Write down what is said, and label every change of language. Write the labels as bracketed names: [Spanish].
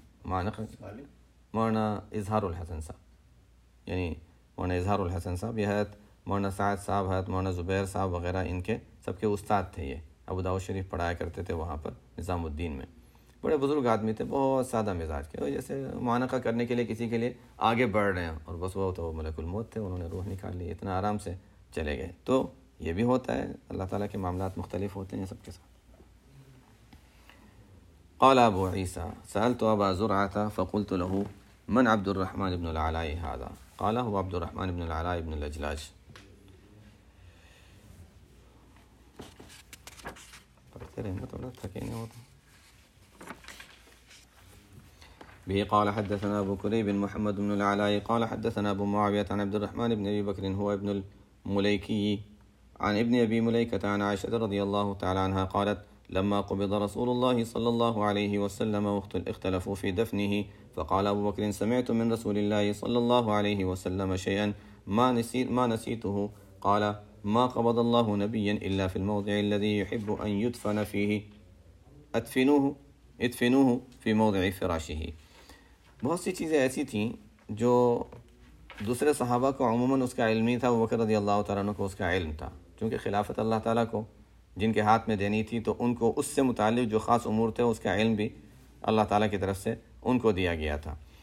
[Urdu] معانقہ مولانا اظہار الحسن صاحب, یعنی مولانا اظہار الحسن صاحب, یہ حضرت مولانا سعد صاحب, حضرت مولانا زبیر صاحب وغیرہ, ان کے سب کے استاد تھے, یہ ابو داؤد شریف پڑھایا کرتے تھے وہاں پر نظام الدین میں, بڑے بزرگ آدمی تھے, بہت سادہ مزاج کے, جیسے معانقہ کرنے کے لیے کسی کے لیے آگے بڑھ رہے ہیں, اور بس وہ تو ملک الموت تھے, انہوں نے روح نکال لی, اتنا آرام سے چلے گئے. تو یہ بھی ہوتا ہے, اللہ تعالیٰ کے معاملات مختلف ہوتے ہیں سب کے ساتھ. [Arabic] قال ابو عیسیٰ سألت ابا زرعۃ فقلت له من عبد الرحمن ابن العلاء هذا قال هو عبد الرحمن ابن العلاء ابن الاجلاج. به قال حدثنا ابو كريب محمد بن العلاء قال حدثنا ابو معاوية عن عبد الرحمن بن ابي بكر هو ابن المليكي عن ابن ابي مليكة عن عائشة رضي الله تعالى عنها قالت لما قبض رسول الله صلى الله عليه وسلم اختلفوا في دفنه فقال ابو بكر سمعت من رسول الله صلى الله عليه وسلم شيئا ما نسيته قال ما قبض الله نبيا الا في الموضع الذي يحب ان يدفن فيه ادفنوه في موضع فراشه. [Urdu] بہت سی چیزیں ایسی تھیں جو دوسرے صحابہ کو عموماً اس کا علم ہی تھا, ابوبکر رضی اللہ تعالیٰ عنہ کو اس کا علم تھا, چونکہ خلافت اللہ تعالیٰ کو جن کے ہاتھ میں دینی تھی تو ان کو اس سے متعلق جو خاص امور تھے اس کا علم بھی اللہ تعالیٰ کی طرف سے ان کو دیا گیا تھا.